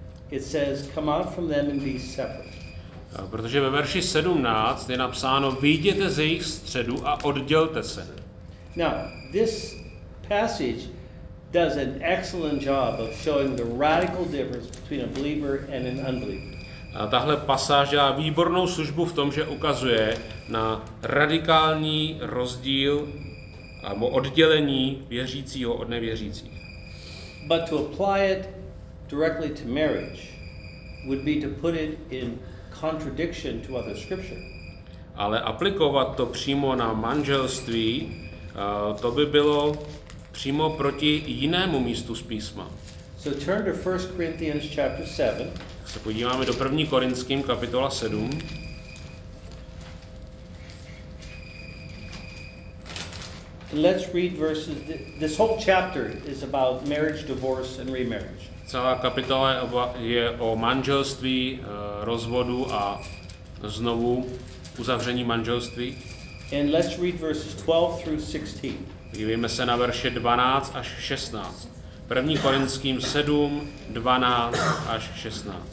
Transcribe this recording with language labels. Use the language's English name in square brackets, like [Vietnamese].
[English] It says, come out from them and be separate. [Czech] Protože ve verši 17 je napsáno, vyjděte z jejich středu a oddělte se. [English] Now, this passage does an excellent job of showing the radical difference between a believer and an unbeliever. [Czech] A tahle pasáž dělá výbornou službu v tom, že ukazuje na radikální rozdíl a oddělení věřícího od nevěřících. [English] But to apply it directly to marriage would be to put it in contradiction to other scripture. [Czech] Ale aplikovat to přímo na manželství, to by bylo přímo proti jinému místu z písma. [English] So turn to 1 Corinthians chapter 7. [Czech] Se podíváme do 1. Korinským kapitola 7. [English] Let's read verses. This whole chapter is about marriage, divorce and remarriage. [Czech] Celá kapitola je o manželství, rozvodu a znovu uzavření manželství. [English] And let's read verses 12 through 16. [Czech] Podívejme se na verše 12 až 16. 1. Korinským 7, 12 až 16.